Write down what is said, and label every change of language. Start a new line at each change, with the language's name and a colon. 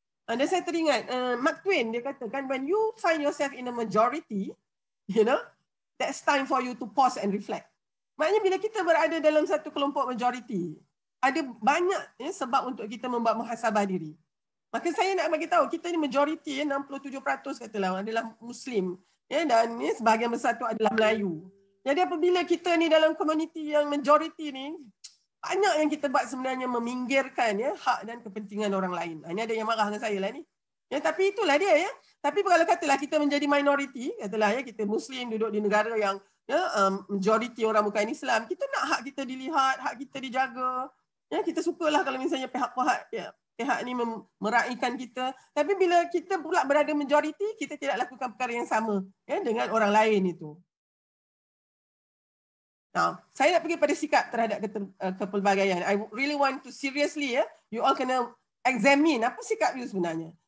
Malay: Anda saya teringat
English: Mark Twain
Malay: dia katakan
English: when you find yourself in a majority, you know, that's time for you to pause and reflect.
Malay: Maknanya bila kita berada dalam satu kelompok majority, ada banyak ya, sebab untuk kita membuat muhasabah diri. Maka saya nak bagi tahu kita ni majority ya, 67% katalah adalah Muslim ya, dan ya, sebahagian besar tu adalah Melayu. Jadi apabila kita ni dalam komuniti yang majoriti ni, banyak yang kita buat sebenarnya meminggirkan ya hak dan kepentingan orang lain. Ini ada yang marah dengan saya lah ni. Ya, tapi itulah dia ya. Tapi kalau katalah kita menjadi minoriti, katalah ya kita Muslim duduk di negara yang ya, majoriti orang bukan Islam, kita nak hak kita dilihat, hak kita dijaga. Ya, kita sukalah kalau misalnya pihak-pihak ya, pihak ni meraihkan kita. Tapi bila kita pula berada majoriti, kita tidak lakukan perkara yang sama ya, dengan orang lain itu. Now, saya nak pergi pada sikap terhadap kepelbagaian.
English: I really want to seriously, yeah, you all
Malay: kena
English: examine
Malay: apa sikap
English: you
Malay: sebenarnya.